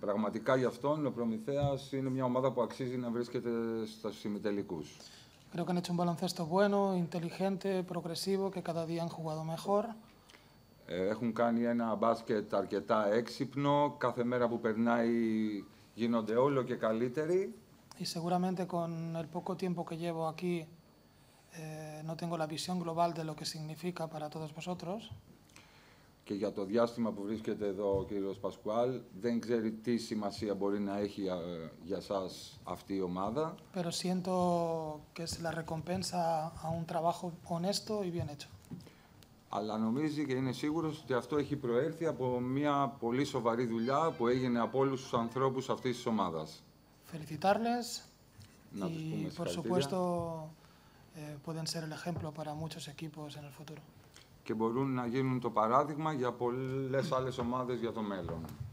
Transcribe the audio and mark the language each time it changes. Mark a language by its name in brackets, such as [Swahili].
[Greek] Πραγματικά γι' αυτόν ο Προμηθέας είναι μια ομάδα που αξίζει να βρίσκεται στους ημιτελικούς. [Spanish] Creo que han hecho un baloncesto bueno, inteligente, progresivo, que cada día han jugado mejor. [Greek] Έχουν κάνει ένα μπάσκετ αρκετά έξυπνο. Κάθε μέρα που περνάει γίνονται όλο και καλύτεροι. [Spanish] Y seguramente con el poco tiempo que llevo aquí no tengo la visión global de lo que significa para todos vosotros. [Greek] και για το διάστημα που βρίσκεται εδώ ο κύριος Πασκουάλ, δεν ξέρει τι σημασία μπορεί να έχει για σας αυτή η ομάδα. [Spanish] Pero siento que es la recompensa a un trabajo honesto y bien hecho. [Greek] Αλλά νομίζει και είναι σίγουρος ότι αυτό έχει προέρθει από μια πολύ σοβαρή δουλειά που έγινε από όλους τους ανθρώπους αυτής της ομάδας. [Spanish] Felicitarles. [Greek] Να τους πούμε [Spanish] por supuesto pueden ser el ejemplo para muchos equipos en el futuro. [Greek] Και μπορούν να γίνουν το παράδειγμα για πολλές άλλες ομάδες για το μέλλον.